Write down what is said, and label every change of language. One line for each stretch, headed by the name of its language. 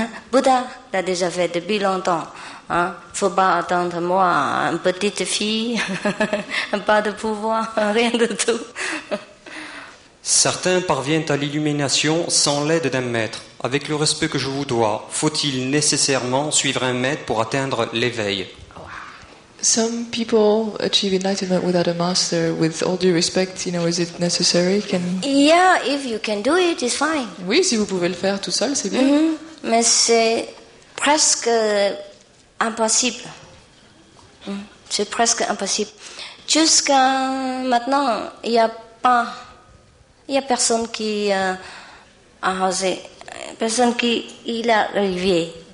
French: Bouddha l'a déjà fait depuis longtemps. Faut pas attendre moi, une petite fille, pas de pouvoir, rien de tout. Certains parviennent à l'illumination sans l'aide d'un maître. Avec le respect que je vous dois, faut-il nécessairement suivre un maître pour atteindre l'éveil?
English: Some people achieve enlightenment without a master. With all due respect, you know, is it necessary? Can... Yeah, if you can do it, it's fine.
French: Oui, si vous pouvez le faire tout seul, c'est bien. Mais c'est presque impossible. C'est presque impossible. Jusqu'à maintenant, il y a personne qui a osé, personne qui il a arrivé.